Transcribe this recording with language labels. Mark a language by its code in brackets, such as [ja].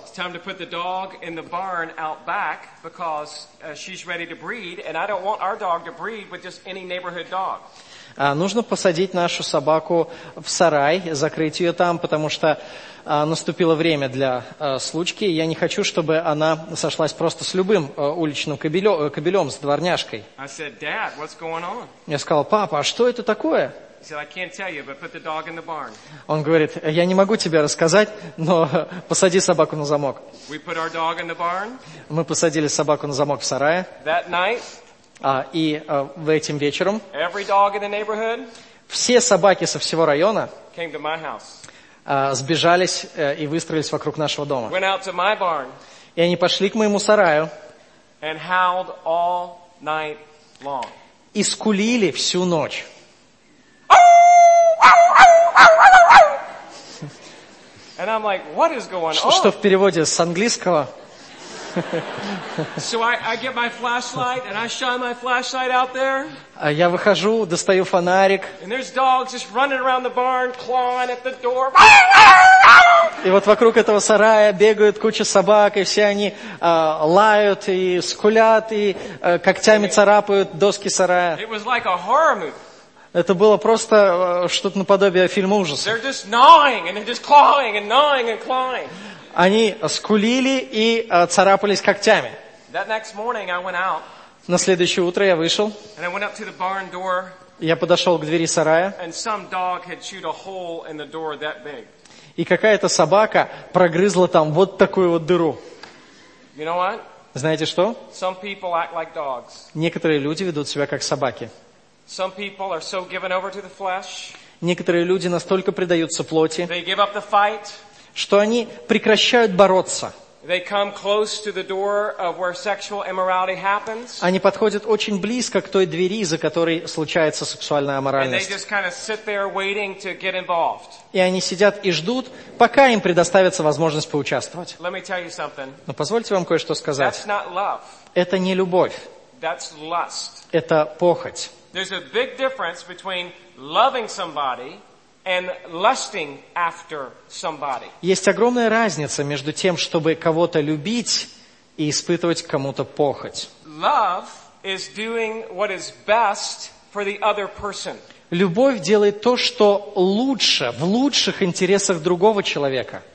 [en] it's time to put the dog in the barn out back because she's ready to breed, and I don't want our dog to breed with just any neighborhood dog. [ru] Нужно посадить нашу собаку в сарай, закрыть ее там, потому что наступило время для случки. Я не хочу, чтобы она сошлась просто с любым уличным кобелем, с дворняжкой. [en] I said, Dad, what's going on? [ru] Я сказал: папа, а что это такое? [en] He said, I can't tell you, but put the dog in the barn. [ru] Он говорит: я не могу тебе рассказать, но посади собаку на замок. [en] We put our dog in the barn. [ru] Мы посадили собаку на замок в сарае. [en] That night, [ru] И этим вечером [en] every dog in the neighborhood [ru] все собаки со всего района [en] came to my house. [ru] Сбежались и выстроились вокруг нашего дома. [en] Went out to my barn, [ru] и они пошли к моему сараю [en] and howled all night long. [ru] И скулили всю ночь. Что в переводе с английского? [en] So I get my flashlight and I shine my flashlight out there. [ru] Я выхожу, достаю фонарик. [en] And there's dogs just running around the barn, clawing at the door. [ru] И вот вокруг этого сарая бегают куча собак, и все они лают и скулят и когтями царапают доски сарая. [en] It was like a horror movie. [ru] Это было просто что-то наподобие фильма ужасов. [en] They're just gnawing and they're just clawing and gnawing and clawing. [ru] Они скулили и царапались когтями. [en] That next morning I went out, [ru] на следующее утро я вышел [en] and I went up to the barn door, [ru] Я подошел к двери сарая. [en] And some dog had chewed a hole in the door that big. [ru] И какая-то собака прогрызла там вот такую вот дыру. [en] You know what? [ru] Знаете что? [en] Some people act like dogs. [ru] Некоторые люди ведут себя как собаки. [en] Some people are so given over to the flesh. [ru] Некоторые люди настолько предаются плоти, [en] they give up the fight. [ru] Что они прекращают бороться. [en] They come close to the door of where sexual immorality happens. [ru] Они подходят очень близко к той двери, за которой случается сексуальная аморальность. [en] And they just kind of sit there waiting to get involved. [ru] И они сидят и ждут, пока им предоставится возможность поучаствовать. [en] Let me tell you something. [ru] Но позвольте вам кое-что сказать. [en] That's not love. [ru] Это не любовь. [en] That's lust. [ru] Это похоть. [en] There's a big difference between loving somebody and lusting after somebody. [ru] Есть огромная разница между тем, чтобы кого-то любить и испытывать к кому-то похоть. [en] Love is doing what is best for the other person. [ru] Любовь делает то, что лучше, в лучших интересах другого человека.